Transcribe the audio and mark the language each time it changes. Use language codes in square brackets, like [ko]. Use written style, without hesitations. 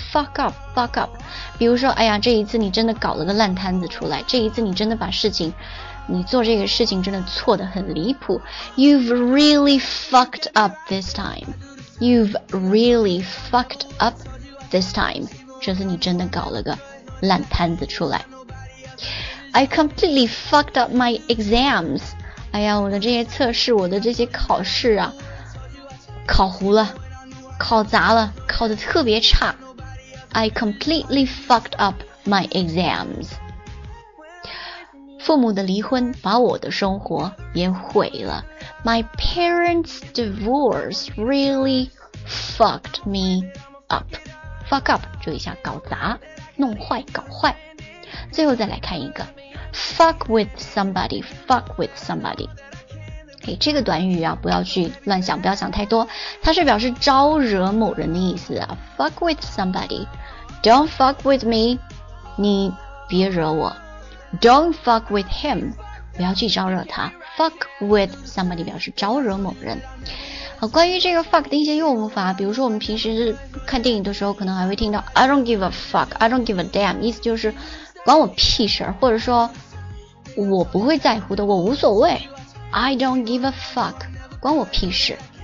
[en] fuck up fuck up， [zh] 比如说哎呀，这一次你真的搞了个烂摊子出来，这一次你真的把事情，你做这个事情真的错得很离谱。 [en] you've really fucked up this timeYou've really fucked up this time. [zh] 这次你真的搞了个烂摊子出来。 [en] I completely fucked up my exams. [zh] 哎呀，我的这些测试，我的这些考试啊，考糊了，考砸了，考得特别差。 [en] I completely fucked up my exams. [zh] 父母的离婚把我的生活也毁了。 [en] My parents' divorce really fucked me up. [zh] Fuck up, 注意一下，搞砸，弄坏，搞坏。最后再来看一个， [en] fuck with somebody, fuck with somebody. [zh] 嘿，这个短语啊，不要去乱想，不要想太多，它是表示招惹某人的意思啊。 [en] Fuck with somebody, don't fuck with me, [zh] 你别惹我。 [en] Don't fuck with him. [zh] 不要去招惹他。 fuck with somebody 表示招惹某人。好，关于这个 fuck 的一些用法，比如说我们平时看电影的时候可能还会听到 [en] I don't give a fuck I don't give a damn， [zh] 意思就是管我屁事，或者说我不会在乎的，我无所谓， [en] I don't give a fuck， [zh] 管我屁事。